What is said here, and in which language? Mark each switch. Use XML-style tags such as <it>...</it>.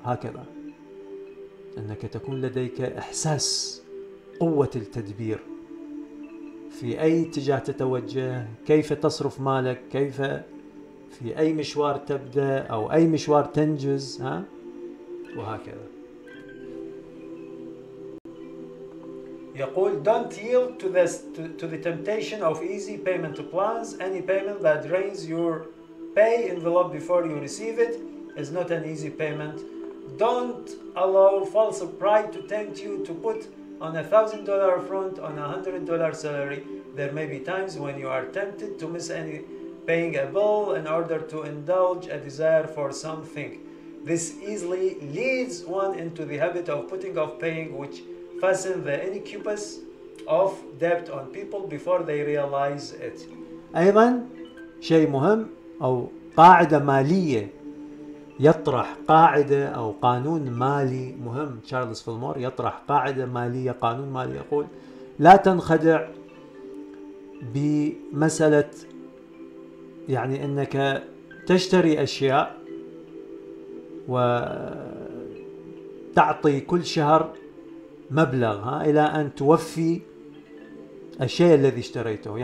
<ar>هكذا أنك تكون لديك إحساس قوة التدبير، في أي اتجاه تتوجه، كيف تصرف مالك، كيف في أي مشوار تبدأ أو أي مشوار تنجز، ها؟ وهكذا. يقول</ar> <en>don't yield to the temptation of easy payment plans. Any payment that drains your pay envelope before you receive it is not an easy payment. Don't allow false pride to tempt you to put on $1,000 front on $100 salary. There may be times when you are tempted to miss any paying a bill in order to indulge a desire for something. This easily leads one into the habit of putting off paying, which fasten the incubus of debt on people before they realize it.</en> <ar>أيضا شيء مهم أو قاعدة مالية، يطرح قاعدة أو قانون مالي مهم. تشارلز فيلمور يطرح قاعدة مالية، قانون مالي، يقول لا تنخدع بمسألة يعني أنك تشتري أشياء وتعطي كل شهر مبلغ، ها، إلى أن توفي الشيء الذي اشتريته.</ar>